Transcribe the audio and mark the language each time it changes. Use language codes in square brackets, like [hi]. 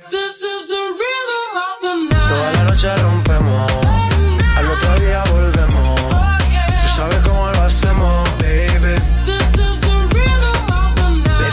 [en] This is the rhythm of the night. [es] Toda la noche rompemos, al otro día volvemos. [en] Oh, yeah. [es] Tú sabes cómo lo hacemos, baby. [en] This is the rhythm of the night.